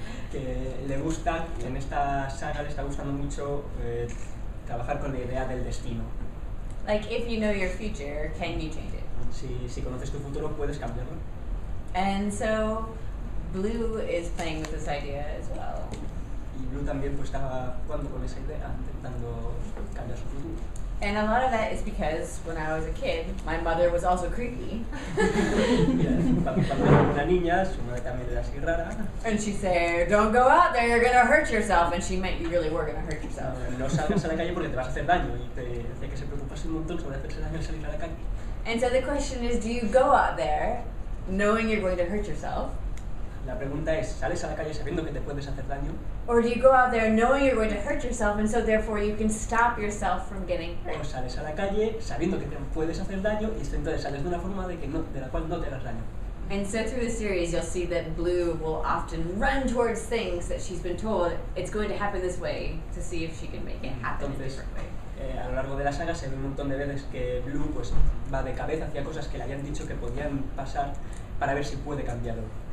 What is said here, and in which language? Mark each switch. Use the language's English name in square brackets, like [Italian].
[Spanish] Que le gusta, en esta saga le está gustando mucho trabajar con la idea del destino. [English] Like, if you know your future, can you change it? [Spanish] Si conoces tu futuro, puedes cambiarlo. [English] And so, Blue is playing with this idea as well. [Spanish] Y Blue también pues estaba jugando con esa idea, intentando cambiar su futuro. [English] And a lot of that is because when I was a kid, my mother was also creepy. And she said, "Don't go out there, you're gonna hurt yourself." And she meant you really were gonna hurt yourself. [Spanish] No salgas a la calle porque te vas a hacer daño. Y te dice que se preocupase un montón sobre hacerse daño al salir a la calle. [English] And so the question is, do you go out there knowing you're going to hurt yourself? [Spanish] La pregunta es, ¿sales a la calle sabiendo que te puedes hacer daño? [English] Or do you go out there knowing you're going to hurt yourself and so therefore you can stop yourself from getting hurt? [Spanish] O sales a la calle sabiendo que te puedes hacer daño y entonces sales de una forma de que no, de la cual no te hagas daño. [English] And so through the series you'll see that Blue will often run towards things that she's been told it's going to happen this way to see if she can make it happen [Spanish] entonces, [English] in a different way. [Spanish] A lo largo de la saga se ve un montón de veces que Blue pues va de cabeza hacia cosas que le habían dicho que podían pasar para ver si puede cambiarlo.